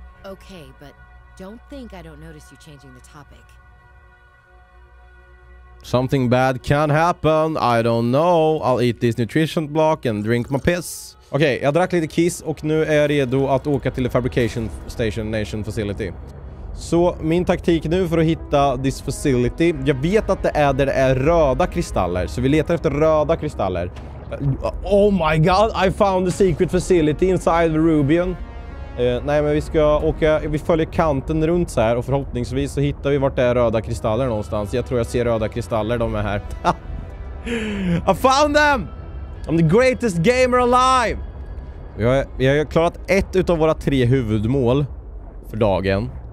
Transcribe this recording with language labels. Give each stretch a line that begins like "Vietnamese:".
English: Okay, but don't think I don't notice you changing the topic. Something bad can happen, I don't know. I'll eat this nutrition block and drink my piss.
Swedish: Okej, okay, jag drack lite kiss och nu är jag redo att åka till Fabrication Station Nation Facility. Så min taktik nu för att hitta
English: this facility.
Swedish: Jag vet att det är där det är röda kristaller. Så vi letar efter röda kristaller.
English: Oh my god, I found the secret facility inside the Rubion.
Swedish: Nej, men vi ska åka, vi följer kanten runt så här och förhoppningsvis så hittar vi vart det är röda kristaller någonstans. Jag tror jag ser röda kristaller, de är här.
English: I found them! I'm the greatest gamer alive!
Swedish: Vi har klarat ett utav våra tre huvudmål för dagen.